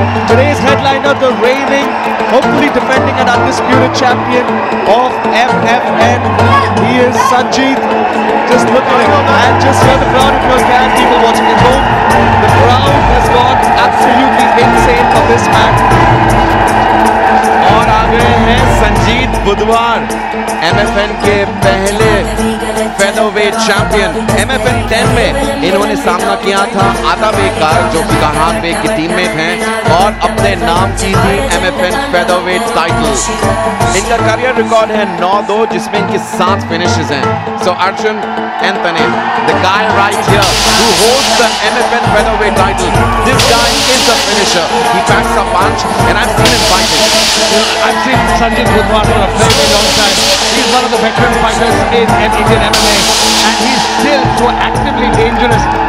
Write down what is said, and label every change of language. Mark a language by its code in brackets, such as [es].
[en] Today's headliner, the reigning, hopefully defending an undisputed champion of MFN. He is Sanjeet. Just look at him and just hear the crowd. If you can, people watching at home, the crowd has gone absolutely insane for this man. [hi] और आ गए हैं संजीत बुधवार MFN के पहले featherweight champion MFN 10 में इन्होंने सामना किया था आदाब कार जो कि कहां पे की टीममेट हैं और अपने नाम की थी MFN featherweight title. इनका करियर रिकॉर्ड है 9-2 जिसमें इनके 7 फिनिशेस हैं. [en] So Arjun Anthony, the guy right here who holds the MFN featherweight title, this guy is a finisher. He packs a punch and I've seen him fighting. I've seen Sanjeet Budhwar for a very long time. He's one of the veteran fighters in Indian MMA and he's still so actively dangerous.